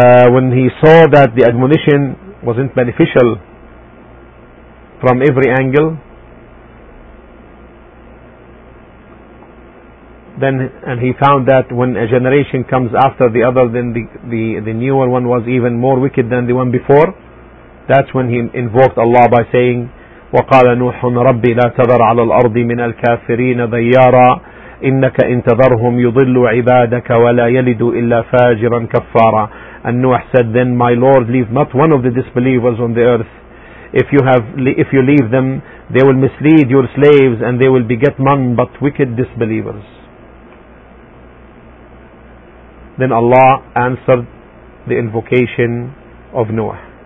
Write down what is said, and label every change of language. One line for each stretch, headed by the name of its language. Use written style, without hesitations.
English: When he saw that the admonition wasn't beneficial from every angle, then, and he found that when a generation comes after the other, then the newer one was even more wicked than the one before. That's when he invoked Allah by saying,
Arabic: وَقَالَ نُوحٌ رَبِّ لَا تَذَرْ عَلَى الْأَرْضِ مِنَ الْكَافِرِينَ دَيَّارًا. إنك إن تذرهم يضلوا عبادك ولا يلدوا إلا فاجرا كفارا.
English: And Noah said, then my Lord, leave not one of the disbelievers on the earth. If you leave them, they will mislead your slaves and they will beget none but wicked disbelievers. Then Allah answered the invocation of Noah.